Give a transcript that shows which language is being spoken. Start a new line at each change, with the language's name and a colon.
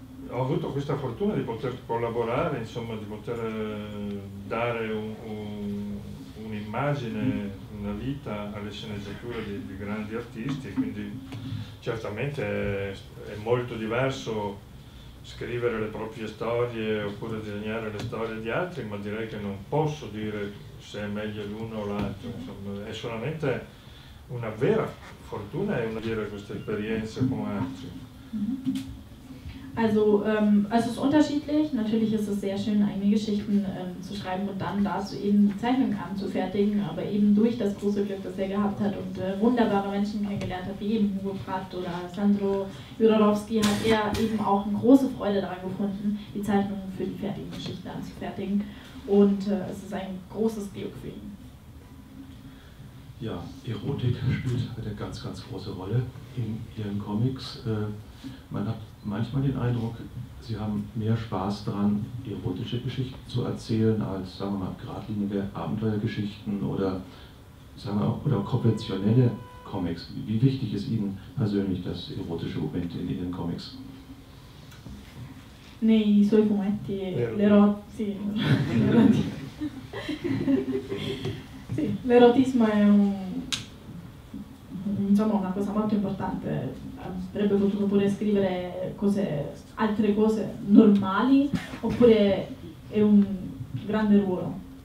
Italian: Ho avuto questa fortuna di poter collaborare, insomma, di poter dare un'immagine, una vita alle sceneggiature di grandi artisti, quindi certamente è molto diverso scrivere le proprie storie oppure disegnare le storie di altri, ma direi che non posso dire se è meglio l'uno o l'altro, insomma, è solamente una vera fortuna e una vera questa esperienza con altri.
German: Also es ist unterschiedlich. Natürlich ist es sehr schön, eigene Geschichten zu schreiben und dann dazu eben Zeichnungen anzufertigen, aber eben durch das große Glück, das er gehabt hat und wunderbare Menschen kennengelernt hat, wie eben Hugo Pratt oder Sandro Jodorowsky, hat er eben auch eine große Freude daran gefunden, die Zeichnungen für die fertigen Geschichten anzufertigen. Und es ist ein großes Glück für ihn. Ja, Erotik spielt eine ganz, ganz große Rolle in Ihren Comics. Man hat manchmal den Eindruck, Sie haben mehr Spaß daran, erotische Geschichten zu erzählen, als, sagen wir mal, geradlinige Abenteuergeschichten oder, sagen wir auch, oder konventionelle Comics. Wie wichtig ist Ihnen persönlich das erotische Moment in Ihren Comics?
Italian: Nei suoi fumetti, l'erotismo è una cosa molto importante. Avrebbe potuto pure scrivere altre cose normali oppure è un grande ruolo?